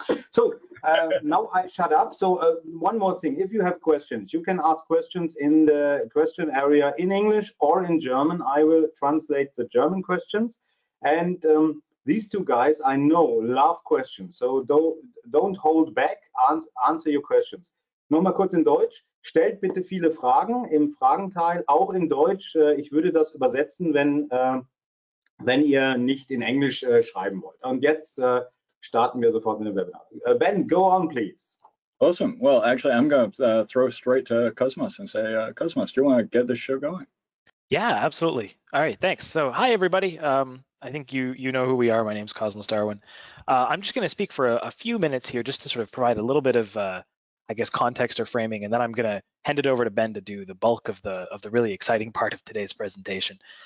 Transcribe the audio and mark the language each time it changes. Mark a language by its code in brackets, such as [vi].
[en] So now I shut up. So one more thing, if you have questions, you can ask questions in the question area in English or in German. I will translate the German questions. And these two guys, I know, love questions. So don't hold back, answer your questions. [de] Nochmal kurz in Deutsch. Stellt bitte viele Fragen im Fragenteil, auch in Deutsch. Ich würde das übersetzen, wenn ihr nicht in Englisch schreiben wollt. Und jetzt starten wir sofort mit dem Webinar. [en] Ben, go on, please. Awesome. Well, actually, I'm going to throw straight to Cosmos and say, Cosmos, do you want to get this show going? Yeah, absolutely. All right, thanks. So, hi, everybody. I think you know who we are. My name's Cosmos Darwin. I'm just going to speak for a few minutes here just to sort of provide a little bit of, context or framing, and then I'm going to hand it over to Ben to do the bulk of the really exciting part of today's presentation.